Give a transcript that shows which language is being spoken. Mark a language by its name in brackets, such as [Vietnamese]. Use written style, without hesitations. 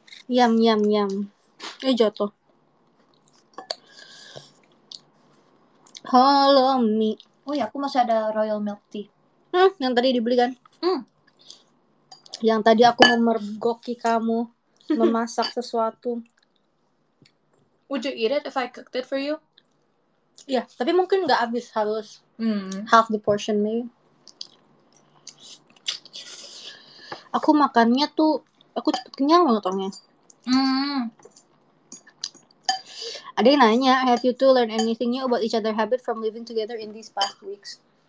[Indonesian] Yum. Ini jatuh. [English] Hello me. [Indonesian] Oh ya, aku masih ada Royal Milk Tea. Yang tadi dibeli kan? Yang tadi aku memergoki kamu memasak sesuatu. [English] Would you eat it if I cooked it for you? [Indonesian] Ya, tapi mungkin nggak habis, harus [English] half the portion maybe. [Indonesian] Aku makannya tuh, aku cepet kenyang banget orangnya. Ada yang nanya, [English] have you two learned anything new about each other's habit from living together in these past weeks?